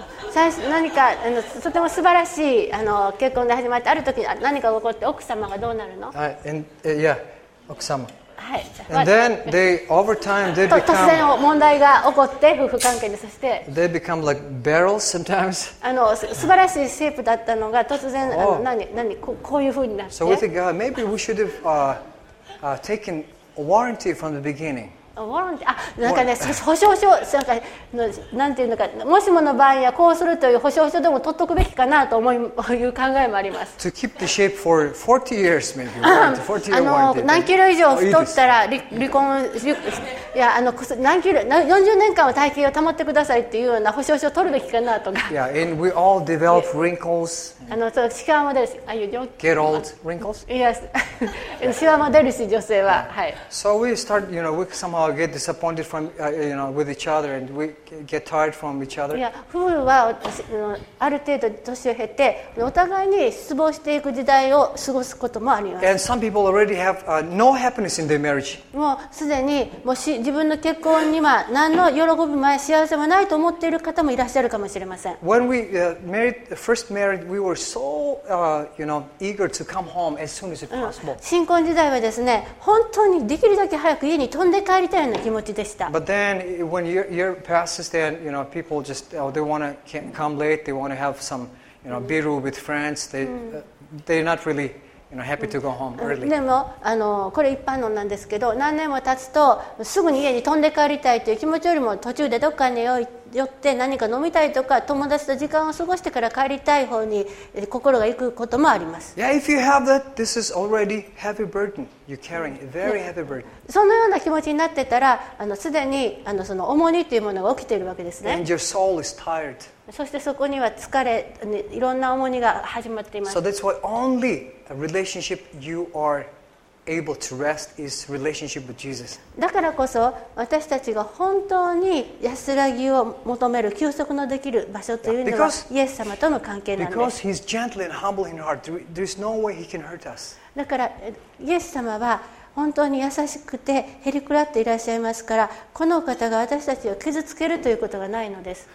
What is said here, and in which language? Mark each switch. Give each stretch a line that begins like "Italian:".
Japanese: 最初何かとても素晴らしい結婚が始まって、ある時何か起こって奥様がどうなるの？ Yeah, 奥様。はい。
English: And then they over time they become
Japanese: 突然問題が起こって夫婦関係で、そして
English: they become like barrels sometimes.
Japanese: 素晴らしいシェイプだったのが突然、何こういう風になって。
English: So we think maybe we should have taken warranty from the beginning.
Japanese: ボランティア、なんかね、保証書、なんか、なんていうのか、もしもの場合はこうするという保証書でも取っておくべきかなと思ういう考えもあります。
English: To keep the shape for 40 years, maybe. 40 years.
Japanese: 何キロ以上太ったら離婚、いや、何キロ、40年間は体型を保ってくださいっていうような保証書を取るべきかなとか。
English: Yeah, and we all develop wrinkles.
Japanese: シワも出るし、ああいう
English: Get old wrinkles?
Japanese: Yes. シワも出るし、女性は。はい。
English: So we start, you know, we somehow get disappointed from, you know, with each other and we get tired from each other.
Japanese: Yeah, 夫婦はある程度年を経てお互いに失望していく時代を過ごすこともあります。
English: And some people already have no happiness in their marriage.
Japanese: もうすでにもし自分の結婚には何の喜びも幸せもないと思っている方もいらっしゃるかもしれません。
English: When we first married, we were so, you know, eager to come home as soon as possible.
Japanese: 新婚時代はですね、本当にできるだけ早く家に飛んで帰りたいような気持ちでした。
English: But then, when year passes, then you know people just they want to come late. They want to have some, you know, beer with friends. They're not really, you know, happy to go home early.
Japanese: でもこれ一般論なんですけど、何年も経つとすぐに家に飛んで帰りたいという気持ちよりも途中でどっかに寄って何か飲みたいとか友達と時間を過ごしてから帰りたい方に心が行くこともあります。
English: Yeah, if you have that, this is already heavy burden. You're carrying a very heavy burden.
Japanese: そのような気持ちになってたら、すでにその重荷というものが起きているわけですね。
English: And your soul is tired.
Japanese: そしてそこには疲れ、いろんな重荷が始まっています。
English: So that's why only a relationship you are able to rest is relationship with Jesus.
Japanese: だからこそ私たちが本当に安らぎを求める休息のできる場所というのはイエス様との関係なんです。
English: Because he's gentle and humble in heart, there's no way he can hurt us.
Japanese: だからイエス様は本当に優しくてへりくらっていらっしゃいますから、この方が私たちを傷つけるということがないのです。